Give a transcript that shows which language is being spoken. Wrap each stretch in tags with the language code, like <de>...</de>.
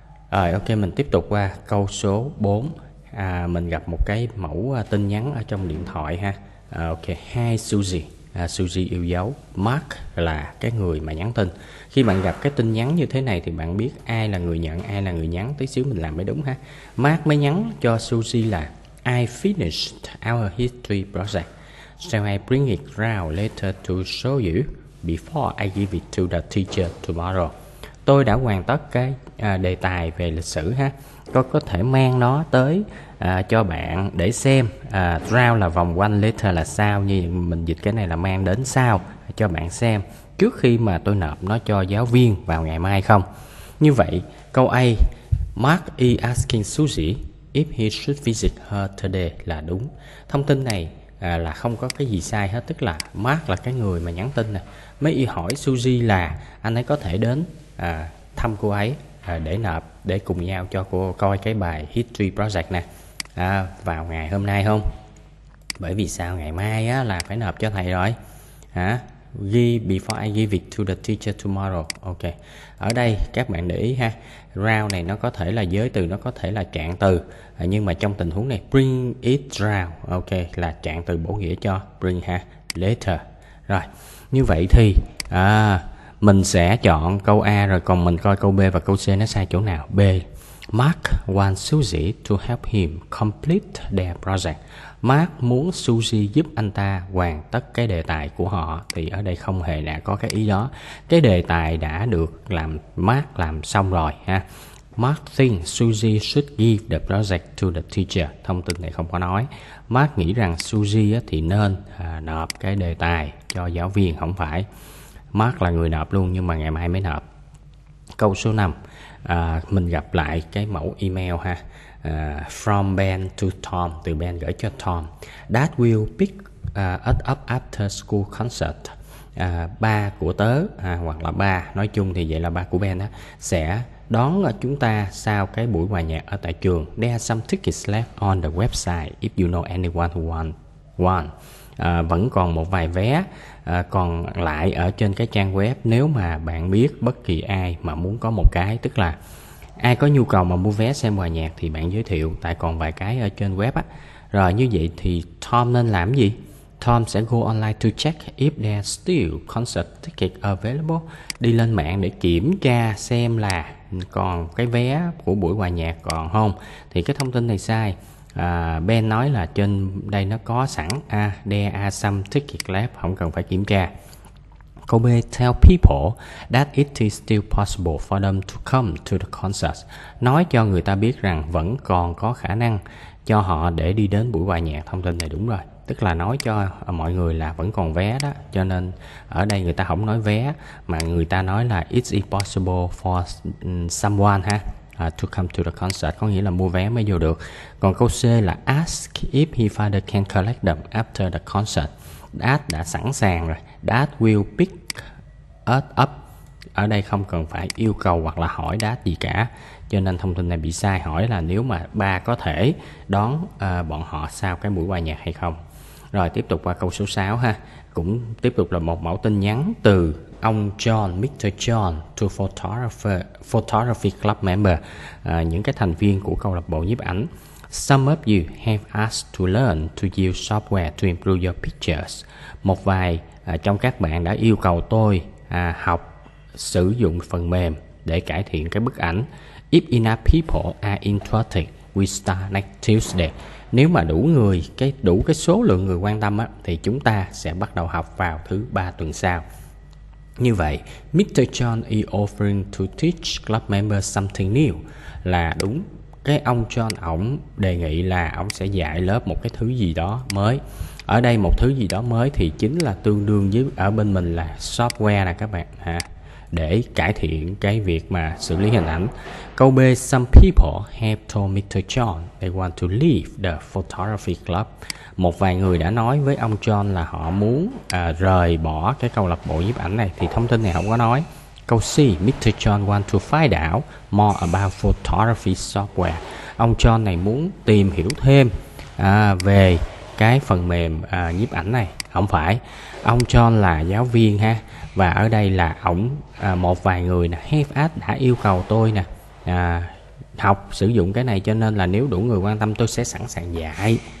<vi>Rồi ok, mình tiếp tục qua câu số 4. Mình gặp một cái mẫu tin nhắn ở trong điện thoại ha.</vi> <en>Ok, hi Susie.</en> <vi>Suzy yêu dấu, Mark là cái người mà nhắn tin. Khi bạn gặp cái tin nhắn như thế này thì bạn biết ai là người nhận, ai là người nhắn. Tí xíu mình làm mới đúng ha. Mark mới nhắn cho Suzy là</vi> <en>I finished our history project. Shall I bring it round later to show you before I give it to the teacher tomorrow?</en> <vi>Tôi đã hoàn tất cái đề tài về lịch sử ha. Tôi có thể mang nó tới cho bạn để xem. Round là vòng quanh, letter là sao. Như mình dịch cái này là mang đến sao cho bạn xem trước khi mà tôi nộp nó cho giáo viên vào ngày mai không. Như vậy, câu A,</vi> <en>Mark is asking Susie if he should visit her today</en> <vi>là đúng. Thông tin này là không có cái gì sai hết. Tức là Mark là cái người mà nhắn tin nè, mới y hỏi Suzy là anh ấy có thể đến thăm cô ấy để nộp, để cùng nhau cho cô coi cái bài History Project nè vào ngày hôm nay không. Bởi vì sao? Ngày mai á, là phải nộp cho thầy rồi hả?</vi> <en>Ghi before I give it to the teacher tomorrow.</en> <vi>Ok, ở đây các bạn để ý ha, round này nó có thể là giới từ, nó có thể là trạng từ, nhưng mà trong tình huống này</vi> <en>bring it round,</en> <vi>ok, là trạng từ bổ nghĩa cho bring ha, later. Rồi như vậy thì mình sẽ chọn câu A, rồi còn mình coi câu B và câu C nó sai chỗ nào.</vi> <en>B, Mark wants Susie to help him complete their project.</en> <vi>Mark muốn Susie giúp anh ta hoàn tất cái đề tài của họ. Thì ở đây không hề đã có cái ý đó. Cái đề tài đã được làm Mark làm xong rồi ha.</vi> <en>Mark thinks Susie should give the project to the teacher.</en> <vi>Thông tin này không có nói. Mark nghĩ rằng Susie thì nên nộp cái đề tài cho giáo viên, không phải. Mark là người nộp luôn nhưng mà ngày mai mới nộp. Câu số 5. Mình gặp lại cái mẫu email ha.</vi> <en>From Ben to Tom,</en> <vi>từ Ben gửi cho Tom.</vi> <en>Dad will pick us up after school concert.</en> <vi>Ba của tớ hoặc là ba, nói chung thì vậy là ba của Ben á, sẽ đón chúng ta sau cái buổi hòa nhạc ở tại trường.</vi> <en>There are some tickets left on the website if you know anyone who want one.</en> <vi>Vẫn còn một vài vé còn lại ở trên cái trang web, nếu mà bạn biết bất kỳ ai mà muốn có một cái, tức là ai có nhu cầu mà mua vé xem hòa nhạc thì bạn giới thiệu, tại còn vài cái ở trên web á. Rồi như vậy thì Tom nên làm gì? Tom sẽ</vi> <en>go online to check if there still concert ticket available.</en> <vi>Đi lên mạng để kiểm tra xem là còn cái vé của buổi hòa nhạc còn không. Thì cái thông tin này sai. Ben nói là trên đây nó có sẵn.</vi> <en>There are some ticket left,</en> <vi>không cần phải kiểm tra. Câu B,</vi> <en>tell people that it is still possible for them to come to the concert.</en> <vi>Nói cho người ta biết rằng vẫn còn có khả năng cho họ để đi đến buổi hòa nhạc. Thông tin này đúng rồi. Tức là nói cho mọi người là vẫn còn vé đó. Cho nên ở đây người ta không nói vé, mà người ta nói là</vi> <en>it's impossible for someone</en> <vi>ha.</vi> <en>To come to the concert</en> <vi>có nghĩa là mua vé mới vô được. Còn câu C là</vi> <en>ask if his father can collect them after the concert. Dad</en> <vi>đã sẵn sàng rồi.</vi> <en>Dad will pick us up.</en> <vi>Ở đây không cần phải yêu cầu hoặc là hỏi Dad gì cả. Cho nên thông tin này bị sai. Hỏi là nếu mà ba có thể đón bọn họ sau cái buổi hòa nhạc hay không. Rồi tiếp tục qua câu số 6 ha. Cũng tiếp tục là một mẫu tin nhắn từ ông John, Mr. John,</vi> <en>to photography club member,</en> <vi>những cái thành viên của câu lạc bộ nhiếp ảnh.</vi> <en>Some of you have asked to learn to use software to improve your pictures.</en> <vi>Một vài trong các bạn đã yêu cầu tôi học sử dụng phần mềm để cải thiện cái bức ảnh.</vi> <en>If enough people are interested, we start next Tuesday.</en> <vi>Nếu mà đủ người, cái đủ cái số lượng người quan tâm á, thì chúng ta sẽ bắt đầu học vào thứ ba tuần sau. Như vậy,</vi> <en>Mr. John is offering to teach club members something new</en> <vi>là đúng. Cái ông John ổng đề nghị là ổng sẽ dạy lớp một cái thứ gì đó mới. Ở đây một thứ gì đó mới thì chính là tương đương với ở bên mình là software nè các bạn ha. Để cải thiện cái việc mà xử lý hình ảnh.</vi> <en>Câu B, some people have told Mr. John they want to leave the photography club.</en> <vi>Một vài người đã nói với ông John là họ muốn rời bỏ cái câu lạc bộ nhiếp ảnh này. Thì thông tin này không có nói. Câu C, Mr.</vi> <en>John want to find out more about photography software.</en> <vi>Ông John này muốn tìm hiểu thêm về cái phần mềm nhiếp ảnh này. Không phải. Ông John là giáo viên ha. Và ở đây là ổng một vài người nè,</vi> <en>have asked,</en> <vi>đã yêu cầu tôi nè học sử dụng cái này, cho nên là nếu đủ người quan tâm tôi sẽ sẵn sàng dạy.</vi>